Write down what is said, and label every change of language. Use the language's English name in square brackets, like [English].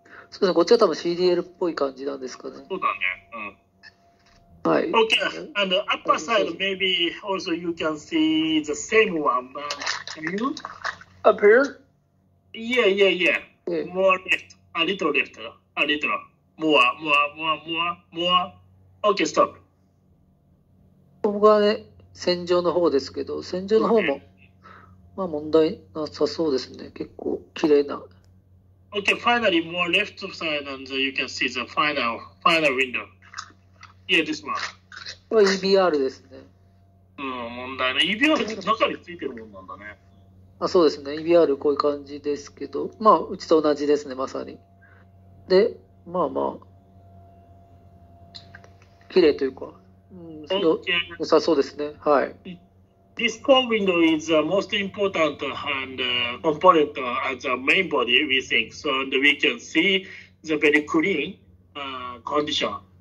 [Japanese] そうですね。こっちは多分 CDL っぽい感じなんですかね。そうだね。うん。はい。 [English] Okay. And the upper side, maybe also you can see the same one. Can you? Up here? Yeah. More left. A little left. A little. More. Okay, stop. [Japanese] ここがね。戦場の方ですけど、戦場の方も、まあ問題なさそうですね。結構綺麗な。 [English] Okay, finally, more left side and you can see the final window. Yeah, this one. [Japanese] これ EBR ですね。うん、問題ね。 EBR 中についてるもんなんだね。あ、そうですね。 EBR こういう感じですけど、まあ、うちと同じですね、まさに。で、まあまあ、綺麗というか。 [English] Okay. [Japanese] 良さそうですね。はい。 [English] This core window is the most important and component as a main body, we think. So we can see the very clean condition.